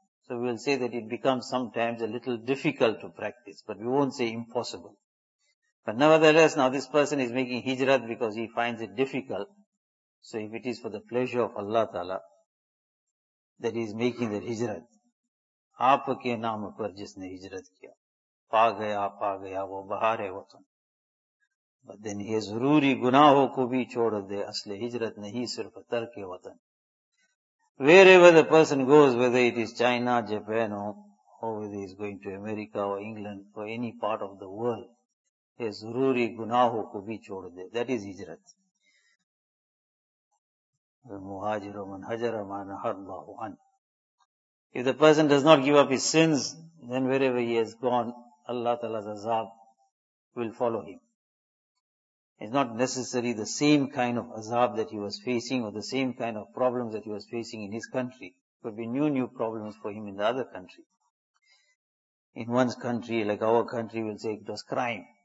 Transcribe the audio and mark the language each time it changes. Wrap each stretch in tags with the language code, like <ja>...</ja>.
<en>So we will say that it becomes sometimes a little difficult to practice, but we won't say impossible. But nevertheless, now this person is making hijrat because he finds it difficult. So if it is for the pleasure of Allah Ta'ala, that he is making that hijrat.</en> <ur>آپ کے نام پر جس نے ہجرت کیا پا گیا وہ بہار وطن.</ur> <en>But then</en> <ur>یہ ضروری گناہوں کو بھی چھوڑ دے, اصل ہجرت نہیں صرف ترک وطن.</ur> <en>Wherever the person goes, whether it is China, Japan, or whether he is going to America or England or any part of the world,</en> <ur>یہ ضروری گناہوں کو بھی چھوڑ دے,</ur> <en>that is ہجرت.</en> <ar>المہاجر من ہجر ما نہ اللہ عنہ.</ar> <en>If the person does not give up his sins, then wherever he has gone, Allah Ta'ala's azab will follow him. It's not necessary the same kind of azab that he was facing or the same kind of problems that he was facing in his country. It could be new problems for him in the other country. In one's country, like our country, we'll say it was crime.</en>